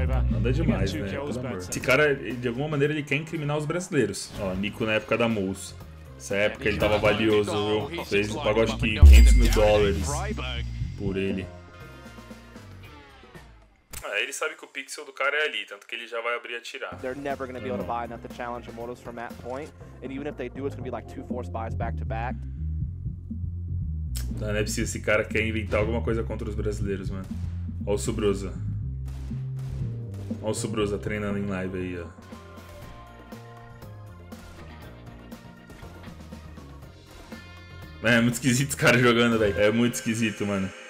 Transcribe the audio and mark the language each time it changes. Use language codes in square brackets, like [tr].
[pt] Nada demais, né? Esse cara, de alguma maneira, ele quer incriminar os brasileiros. Ó, Nico na época da Mousse. Nessa época ele tava valioso, viu? Fez, pagou acho que $500,000 por ele. Ah, ele sabe que o pixel do cara é ali, tanto que ele já vai abrir e atirar. [en] They're never going to be able to buy enough to challenge Immortals from that point. And even if they do, it's going to be like two force buys back to back. [pt] Não é preciso, esse cara quer inventar alguma coisa contra os brasileiros, mano. Olha o Subrosa. Olha o Subrosa treinando em live aí, ó. É muito esquisito esse cara jogando, velho. É muito esquisito, mano.